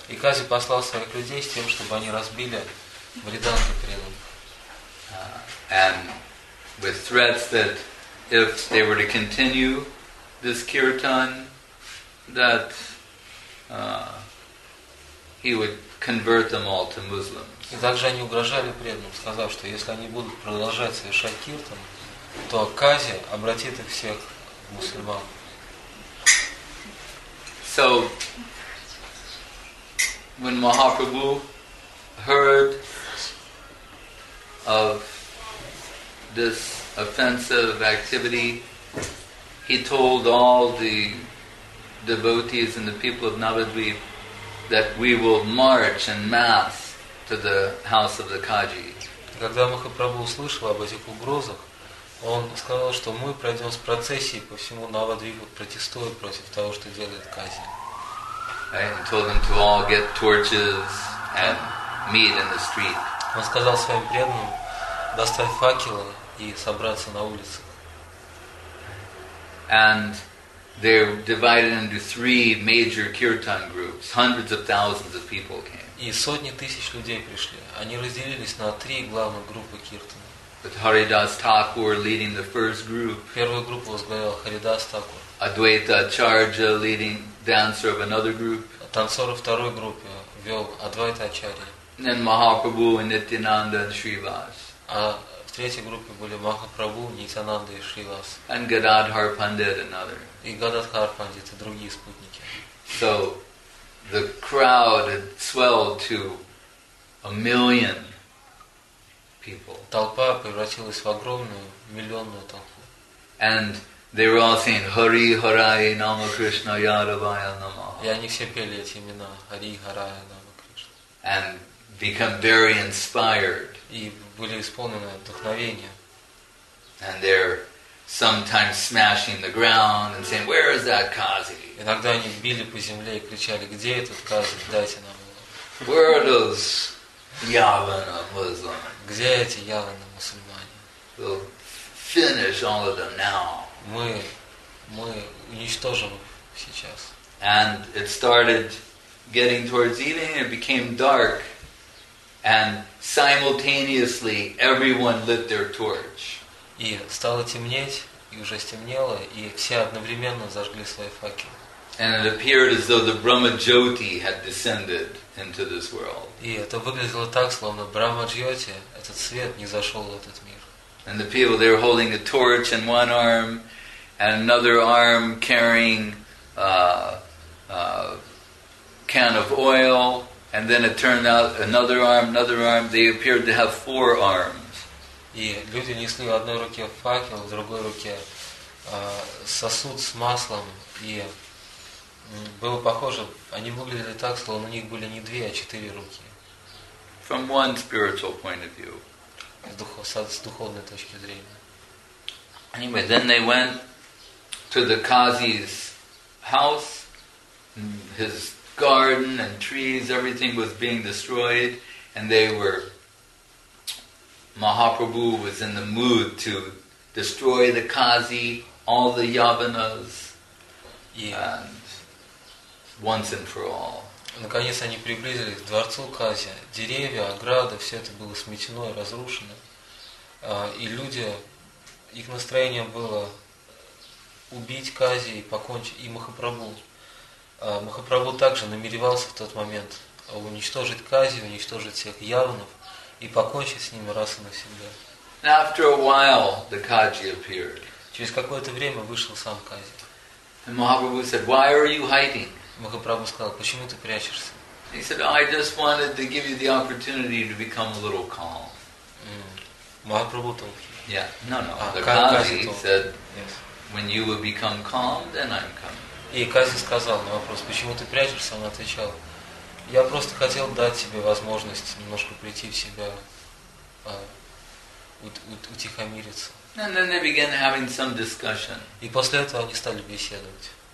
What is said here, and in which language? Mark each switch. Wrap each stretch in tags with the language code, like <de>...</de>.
<ru>И Кази послал своих людей с тем, чтобы они разбили мриданги преданных.</ru> <en>And with threats that if they were to continue this kirtan, that he would convert them all to Muslims.</en> <ru>И также они угрожали преданным, сказав, что если они будут продолжать совершать киртан, то Кази обратит их всех в мусульман.</ru> <en>So, when Mahaprabhu heard of this offensive activity, he told all the devotees and the people of Navadvip that we will march en masse to the house of the Kaji.</en> <ru>Когда Махапрабху услышал об этих угрозах, он сказал, что мы пройдем с процессией по всему Навадвипу, протестуя против того, что делает Кази.</ru> <en>He told them to all get torches and meet in the street.</en> <ru>Он сказал своим преданным достать факелы и собраться на улице.</ru> <en>And They're divided into three major kirtan groups. Hundreds of thousands of people came.</en> <ru>И сотни тысяч людей пришли. Они разделились на три главных группы киртана.</ru> <en>But Haridas Thakur leading the first group.</en> <ru>Первую группу возглавлял Харидас Такур.</ru> <en>Adwaita Acharya leading dancer of another group.</en> <ru>Танцоры второй группы вел Адвайта Ачарья.</ru> <en>Then Mahaprabhu and Nityananda and Srivas.</en> <ru>А в третьей группе были Махапрабху, Нитянанда и Шривас.</ru> <en>And Gadadhar Pandit another.</en> <ru>И Гададхар Пандит и другие спутники.</ru> <en>So the crowd had swelled to a million people.</en> <ru>Толпа превратилась в огромную миллионную толпу.</ru> <en>And they were all saying Hari Harai Nama Krishna Yadavaya Nama.</en> <ru>И они все пели эти имена Hari Harai Nama Krishna.</ru> <en>And become very inspired.</en> <ru>И были исполнены вдохновения.</ru> <en>And they're sometimes smashing the ground and saying, "Where is that Kazi?"</en> <ru>Иногда они били по земле и кричали, где этот Кази? Дайте нам его.</ru> <en>Where are those Yavana Muslims?</en> <ru>Где эти Yavana мусульмане?</ru> <en>We'll finish all of them now.</en> <ru>Мы уничтожим их сейчас.</ru> <en>And it started getting towards evening. It became dark. And simultaneously, everyone lit their torch.</en> <ru>И стало темнеть, и уже стемнело, и все одновременно зажгли свои факелы.</ru> <en>And it appeared as though the Brahma Jyoti had descended into this world.</en> <ru>И это выглядело так, словно Брахма Джьоти, этот свет, не зашел в этот мир.</ru> <en>And the people, they were holding a torch in one arm, and another arm carrying a can of oil. And then it turned out another arm. They appeared to have four arms.</en> <ru>И люди несли в одной руке факел, в другой руке сосуд с маслом. И было похоже, они выглядели так, словно у них были не две, а четыре руки.</ru> <en>From one spiritual point of view.</en> <ru>С духовной точки зрения.</ru> <en>Anyway, then they went to the Qazi's house, his garden and trees, everything was being destroyed, and they were. Mahaprabhu was in the mood to destroy the Qazi, all the Yavanas, and once and for all.</en> <ru>Наконец они приблизились к дворцу Кази. Деревья, ограды, все это было сметено и разрушено, и люди, их настроение было убить Кази и покончить и Махапрабху. Махапрабху также намеревался в тот момент уничтожить Кази, уничтожить всех явнов и покончить с ними раз и навсегда.</ru> <en>After a while, the Qazi appeared.</en> <ru>Через какое-то время вышел сам Кази.</ru> <en>And Mahaprabhu said, "Why are you hiding?"</en> <ru>Махапрабху сказал, почему ты прячешься?</ru> <en>He said, "I just wanted to give you the opportunity to become a little calm."</en> <ru>Махапрабху тол.</ru> <en>The Qazi said, "When you will become calm, then I'm coming."</en> <ru>И Кази сказал на вопрос, почему ты прячешься, он отвечал, я просто хотел дать тебе возможность немножко прийти в себя, утихомириться.</ru> <en>And then they began having some discussion.</en> <ru>И после этого они стали беседовать.</ru>